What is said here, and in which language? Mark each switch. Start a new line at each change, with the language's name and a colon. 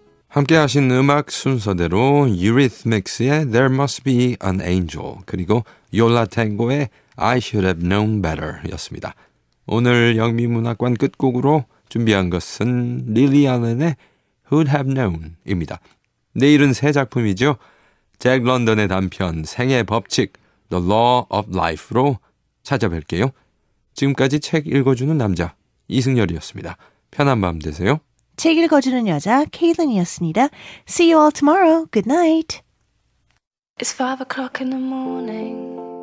Korean: 함께 하신 음악 순서대로 유리스믹스의 There Must Be an Angel 그리고 요라탱고의 I Should Have Known Better 였습니다. 오늘 영미문학관 끝곡으로 준비한 것은 릴리 알렌의 Who'd Have Known입니다. 내일은 새 작품이죠. 잭 런던의 단편 생의 법칙 The Law of Life로 찾아뵐게요. 지금까지 책 읽어주는 남자 이승열이었습니다. 편한 밤 되세요. 책 읽어주는 여자 케일린이었습니다.
English: See you all tomorrow. Good night. It's 5 o'clock in the morning.